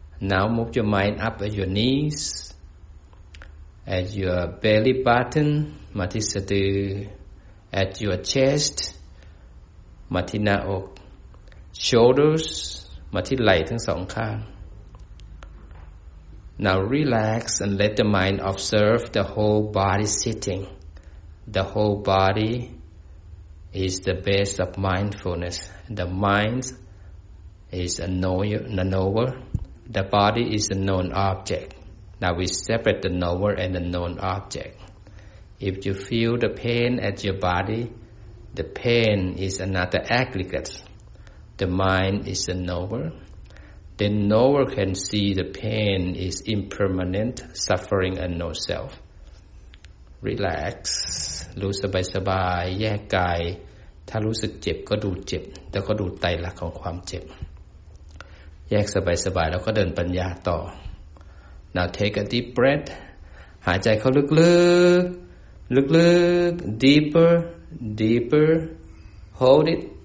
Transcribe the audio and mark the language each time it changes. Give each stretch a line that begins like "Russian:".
English: Now move your mind up at your kneesAt your belly button,
Thai: มาที่สะดือ
English: At your chest,
Thai: มาที่หน้าอก
English: Shoulders,
Thai: มาที่ไหล่ทั้งสองข้าง
English: Now relax and let the mind observe the whole body sitting. The whole body is the base of mindfulness. The mind is a knower. The body is a known object. Now we separate the knower and the known object. If you feel the pain at your body, the pain is another aggregate. The mind is a knower. The knower can see the pain is impermanent, suffering and no self. Relax.
Thai: รู้สบายๆแยกกายถ้ารู้สึกเจ็บก็ดูเจ็บแล้วก็ดูไตรลักษณ์ของความเจ็บแยกสบายๆแล้วก็เดินปัญญาต่อ
English: Now take a deep breath.
Thai: หายใจเข้าลึกๆ
English: deeper, deeper. Hold it.